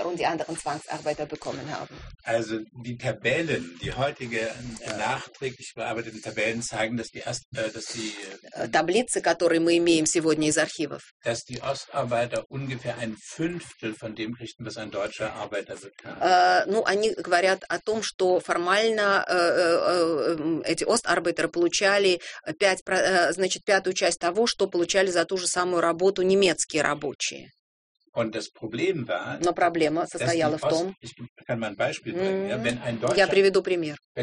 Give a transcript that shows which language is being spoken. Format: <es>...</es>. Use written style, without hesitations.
<de>Anderen Zwangsarbeiter bekommen haben. Also die Tabellen, die heutige nachträglich bearbeiteten Tabellen zeigen, dass die erst, dass die</de> <ru>Таблицы, которые мы имеем сегодня из архивов,</ru> <de>dass die Ostarbeiter ungefähr ein Fünftel von dem kriegten, was ein deutscher Arbeiter bekam.</de> <ru>Ну, они говорят о том, что формально эти остарбайтеры получали пятую часть того, что получали за ту же самую работу немецкие рабочие.</ru> <de>Und das Problem war,</de> <ru>но проблема состояла в том, я приведу пример.</ru>